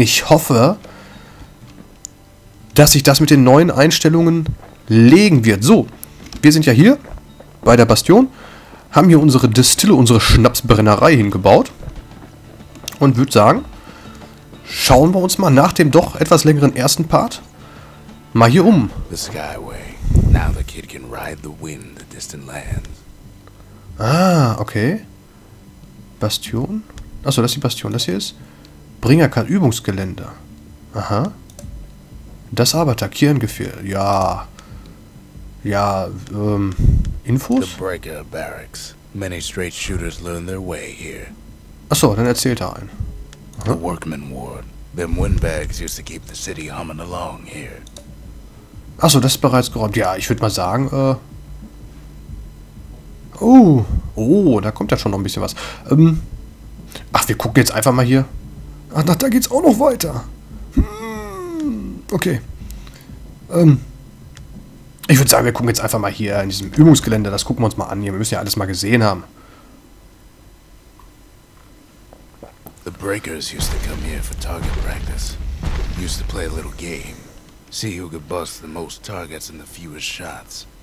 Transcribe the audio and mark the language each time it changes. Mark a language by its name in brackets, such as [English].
[German] Ich hoffe, dass sich das mit den neuen Einstellungen legen wird. So, wir sind ja hier bei der Bastion. Haben hier unsere Distille, unsere Schnapsbrennerei hingebaut. Und würde sagen, schauen wir uns mal nach dem doch etwas längeren ersten Part mal hier um. [English] The Skyway. Now the kid can ride the wind, the distant lands. [German] Ah, okay. Bastion. Achso, das ist die Bastion. Das hier ist Bringerkart Übungsgelände. Aha. Das Arbeiter, Kirngefehl. Ja. Ja, Infos? [English] The Breaker Barracks. Many straight shooters learn their way here. [German] Achso, dann erzählt er einen. [English] Aha. The Workman Ward. Them windbags used to keep the city humming along here. [German] Achso, das ist bereits geräumt. Ja, ich würde mal sagen, Oh, da kommt ja schon noch ein bisschen was. Ach, wir gucken jetzt einfach mal hier. Ach, da geht's auch noch weiter. Okay. Ich würde sagen, wir gucken jetzt einfach mal hier in diesem Übungsgelände. Das gucken wir uns mal an hier. Wir müssen ja alles mal gesehen haben. [English] The Breakers used to come here for target practice. Used to play a little game. See who could bust the most targets in the fewest shots.